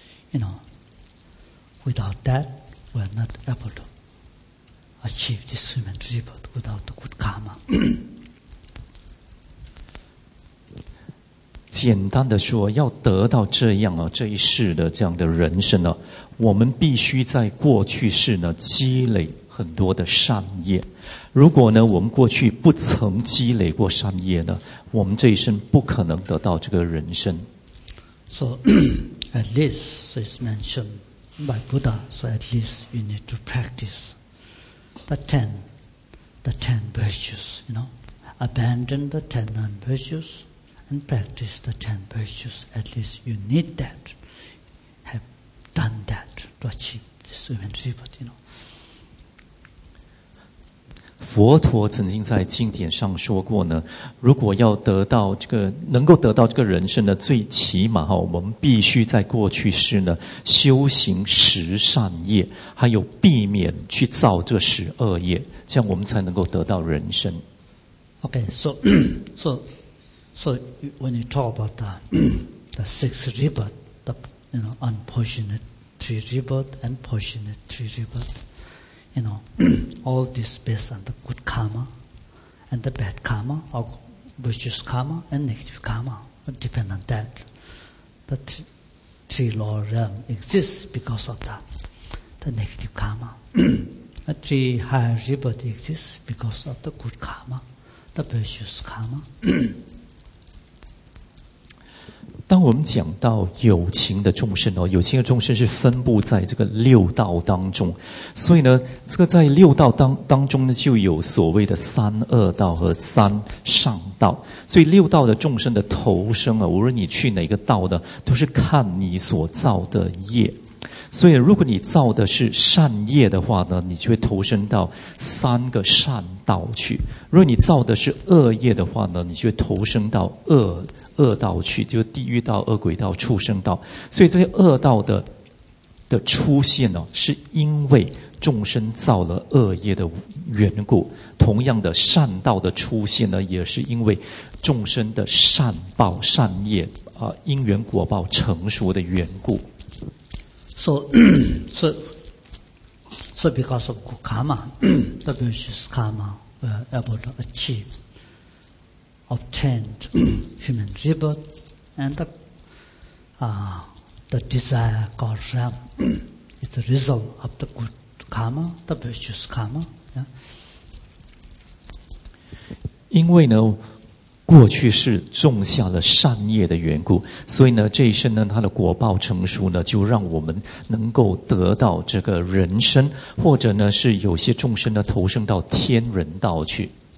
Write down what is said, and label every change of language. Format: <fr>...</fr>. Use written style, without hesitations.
<en>You know, without that, we are not able to achieve this human rebirth without the good karma.</en> <zh>简单的说，要得到这样这一世的这样的人生我们必须在过去世积累很多的善业。如果呢，我们过去不曾积累过善业我们这一生不可能得到这个人生。</zh> <en>So at least, so it's mentioned by Buddha, so at least you need to practice the ten virtues, you know. Abandon the ten non-virtues and practice the ten virtues. At least you need that, have done that to achieve this human rebirth, you know.</en> <zh>佛陀曾经在经典上说过呢，如果要得到这个，能够得到这个人生呢，最起码我们必须在过去世呢修行十善业，还有避免去造这十恶业，这样我们才能够得到人生。</zh> <en>Okay, so when you talk about the six rebirth, the you know unfortunate three rebirth and fortunate three rebirth. You know, all this based on the good karma and the bad karma, or virtuous karma and negative karma, depend on that. The three lower realm exists because of that, the negative karma. The three higher rebirth exists because of the good karma, the virtuous karma.</en> <zh>当我们讲到有情的众生有情的众生是分布在这个六道当中，所以呢，这个在六道当中呢，就有所谓的三恶道和三上道。所以六道的众生的投生无论你去哪个道呢，都是看你所造的业。所以，如果你造的是善业的话呢，你就会投生到三个善道去；如果你造的是恶业的话呢，你就会投生到恶道去，就是地狱道、恶鬼道、畜生道。所以这些恶道的出现是因为众生造了恶业的缘故。同样的，善道的出现也是因为众生的善报、善业因缘果报成熟的缘故。</zh> <en>So because of good karma, the virtuous karma, we are able to achieve, obtain human rebirth, and the desire God realm is the result of the good karma, the virtuous karma. Because, yeah.</en> <zh>过去是种下了善业的缘故，所以呢，这一生呢，它的果报成熟呢，就让我们能够得到这个人生，或者呢，是有些众生呢，投生到天人道去。</zh>